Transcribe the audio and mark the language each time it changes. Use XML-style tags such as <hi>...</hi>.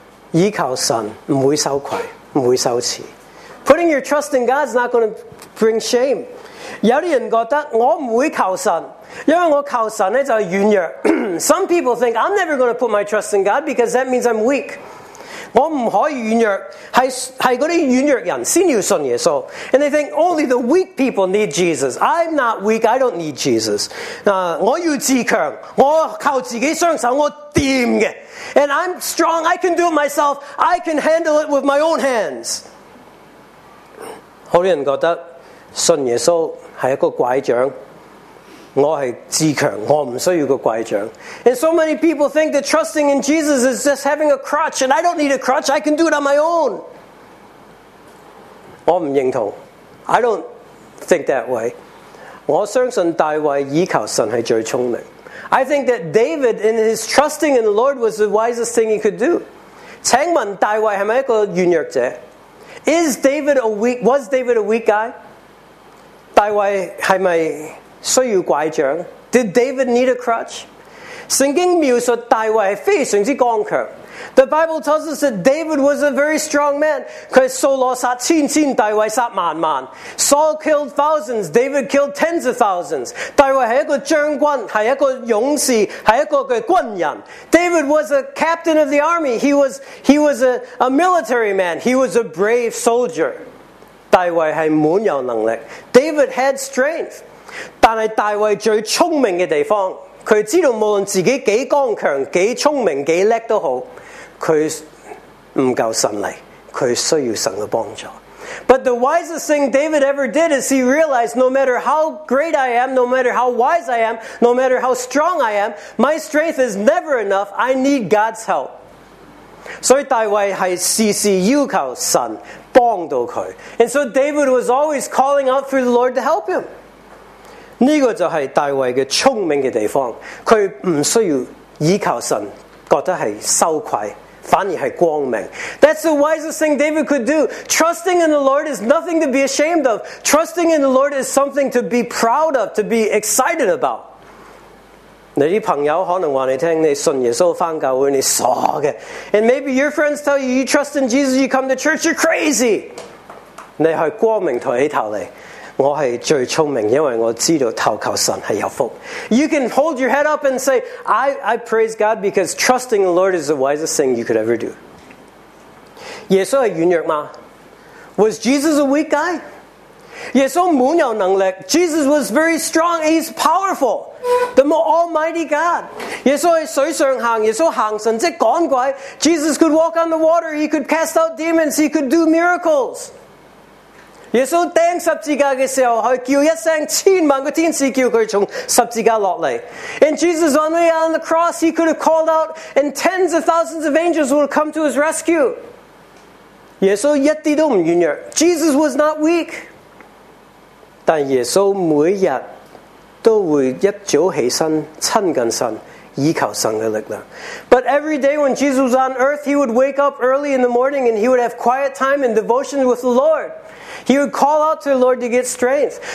<zh>依靠神，不会羞愧，不会羞耻。</zh> <en>Putting your trust in God is not going to bring shame.</en> <zh>有些人觉得我不会求神，因为我求神就是软弱。</zh> <en>Some people think I'm never going to put my trust in God because that means I'm weak.</en> <zh>我不可以软弱，是那些软弱人才要信耶稣。</zh> <en>And they think only the weak people need Jesus. I'm not weak, I don't need Jesus.</en> <zh>我要自强，我靠自己双手，我掂的。</zh> <en>And I'm strong, I can do it myself, I can handle it with my own hands.</en> <zh>好多人觉得信耶稣是一个拐杖，我是自强，我不需要个拐杖。</zh> <en>And so many people think that trusting in Jesus is just having a crutch, and I don't need a crutch, I can do it on my own.</en> <zh>我不认同，</zh> <en>I don't think that way.</en> <zh>我相信大卫依靠神是最聪明。</zh> <en>I think that David, in his trusting in the Lord, was the wisest thing he could do.</en> <zh>请问大卫是不是一个软弱者？</zh> <en>Was David a weak guy?</en> <zh>大卫是不是需要拐杖？</zh> <en>Did David need a crutch?</en> <zh>圣经描述大卫是非常之刚强。</zh> <en>The Bible tells us that David was a very strong man.</en> <zh>他扫罗杀千千，大卫杀万万。</zh> <en>Saul killed thousands, David killed tens of thousands.</en> <zh>大卫是一个将军，是一个勇士，是一个军人。</zh> <en>David was a captain of the army. He was a military man. He was a brave soldier.</en> <zh>大卫是满有能力。</zh> <en>David had strength.</en> <zh>但是大卫最聪明的地方，他知道无论自己几刚强、几聪明、几叻都好，他不够神力，他需要神的帮助。</zh> <en>But the wisest thing David ever did is he realized, no matter how great I am, no matter how wise I am, no matter how strong I am, my strength is never enough. I need God's help.</en> <zh>所以大卫是时时要求神帮到他。</zh> <en>And so David was always calling out for the Lord to help him.</en> <zh>这个就是大卫的聪明的地方，他不需要依靠神，觉得是羞愧，反而是光明。</zh> <en>That's the wisest thing David could do. Trusting in the Lord is nothing to be ashamed of. Trusting in the Lord is something to be proud of, to be excited about.</en> <zh>你的朋友可能告诉你，你信耶稣回教会，你傻的。</zh> <en>And maybe your friends tell you, you trust in Jesus, you come to church, you're crazy.</en> <zh>你是光明抬起头来，我是最聪明，因为我知道投靠神是有福。</zh> <en>You can hold your head up and say, I praise God because trusting the Lord is the wisest thing you could ever do.</en> <zh>耶稣是软弱吗？</zh> <en>Was Jesus a weak guy?</en> <zh>耶稣满有能力。</zh> <en>Jesus was very strong, he's powerful. The Almighty God.</en> <zh>耶稣在水上行，耶稣行神迹赶鬼。</zh> <en>Jesus could walk on the water, he could cast out demons, he could do miracles.</en> <zh>耶稣钉十字架的时候，他叫一声，千万个天使叫他从十字架落来。</zh> <en>And Jesus on the way on the cross, he could have called out, and tens of thousands of angels would have come to his rescue.</en> <zh>耶稣一点都不软弱。</zh> <en>Jesus was not weak.</en> <zh>但耶稣每日都会一早起身亲近神，依靠神的力量。</zh> <en>But every day when Jesus was on earth, he would wake up early in the morning and he would have quiet time and devotion with the Lord. He would call out to the Lord to get strength.</en>